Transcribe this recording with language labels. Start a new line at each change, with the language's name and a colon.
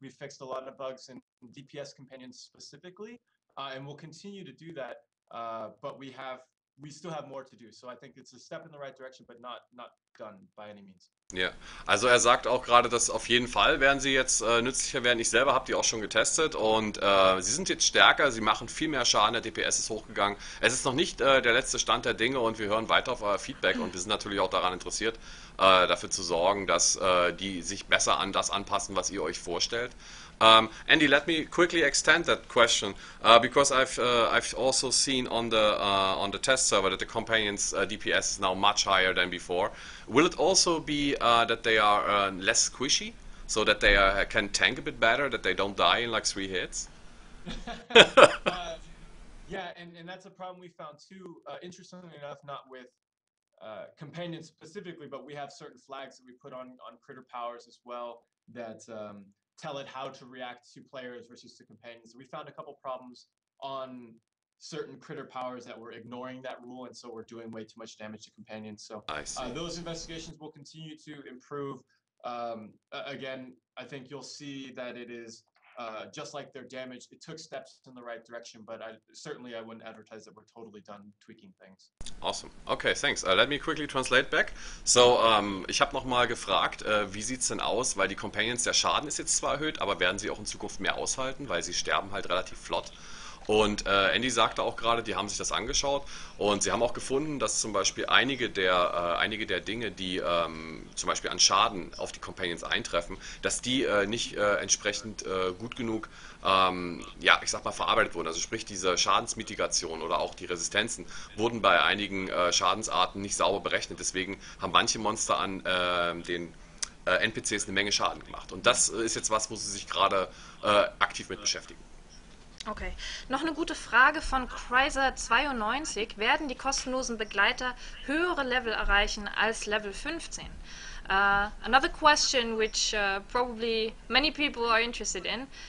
English: We've fixed a lot of bugs in DPS companions specifically, and we'll continue to do that, but we still have more to do. So I think it's a step in the right direction, but not done by any means.
German: Ja, also er sagt auch gerade, dass auf jeden Fall werden sie jetzt nützlicher werden. Ich selber habe die auch schon getestet und sie sind jetzt stärker, sie machen viel mehr Schaden, der DPS ist hochgegangen. Es ist noch nicht der letzte Stand der Dinge und wir hören weiter auf euer Feedback und wir sind natürlich auch daran interessiert, dafür zu sorgen, dass die sich besser an das anpassen, was ihr euch vorstellt.
English: Andy, let me quickly extend that question because I've also seen on the test server that the companion's DPS is now much higher than before. Will it also be that they are less squishy, so that they can tank a bit better, that they don't die in like 3 hits? and that's a problem we found too. Interestingly enough, not with companions specifically, but we have certain flags that we put on critter powers as well that tell it how to react to players versus to companions. We found a couple problems on certain critter powers that were ignoring that rule, and so we're doing way too much damage to companions. So I see. Those investigations will continue to improve. Again, I think you'll see that it is just like their damage. It took steps in the right direction, but I certainly wouldn't advertise that we're totally done tweaking things. Awesome. Okay, thanks. Let me quickly translate back.
German: So, ich habe nochmal gefragt, wie sieht's denn aus, weil die Companions, der Schaden ist jetzt zwar erhöht, aber werden sie auch in Zukunft mehr aushalten, weil sie sterben halt relativ flott. Und Andy sagte auch gerade, die haben sich das angeschaut und sie haben auch gefunden, dass zum Beispiel einige der Dinge, die zum Beispiel an Schaden auf die Companions eintreffen, dass die nicht entsprechend gut genug, ich sag mal, verarbeitet wurden. Also sprich, diese Schadensmitigation oder auch die Resistenzen wurden bei einigen Schadensarten nicht sauber berechnet. Deswegen haben manche Monster an den NPCs eine Menge Schaden gemacht. Und das ist jetzt was, wo sie sich gerade aktiv mit beschäftigen. Okay, noch eine gute Frage von Chryser 92. Werden die kostenlosen Begleiter höhere Level erreichen als Level 15?
English: Another question which probably many people are interested in.